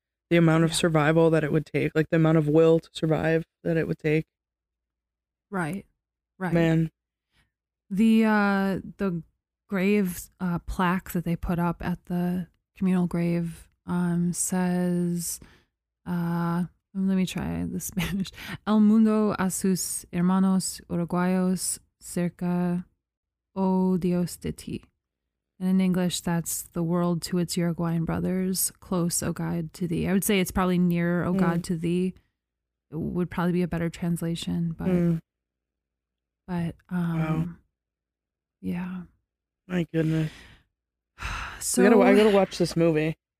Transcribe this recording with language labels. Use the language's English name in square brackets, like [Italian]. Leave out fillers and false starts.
[English] The amount of survival that it would take, like the amount of will to survive that it would take. Right. Right. Man. The grave plaque that they put up at the communal grave says, let me try the Spanish. [Spanish] El mundo a sus hermanos uruguayos cerca, oh Dios de ti. [English] And in English, that's the world to its Uruguayan brothers, close, O God, to thee. I would say it's probably nearer, O God, to thee. It would probably be a better translation, but, wow. My goodness. I gotta watch this movie.